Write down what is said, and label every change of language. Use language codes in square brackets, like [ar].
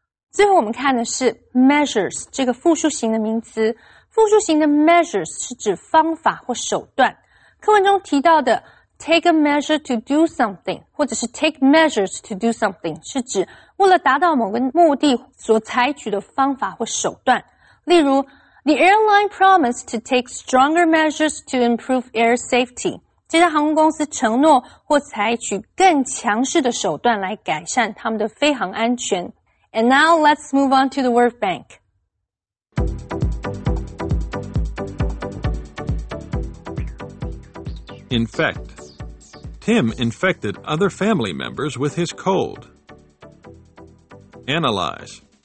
[zh] 最后我们看的是 measures, 这个复数型的名词。复数型的 measures 是指方法或手段。课文中提到的 [en] take a measure to do something [zh] 或者是 [en] take measures to do something [zh] 是指为了达到某个目的所采取的方法或手段。例如 [en] ,the airline promised to take stronger measures to improve air safety. [zh] 这家航空公司承诺或采取更强势的手段来改善他们的飞行安全。 [en] And now let's move on to the word bank. Infect. Tim infected other family members with his cold. Analyze.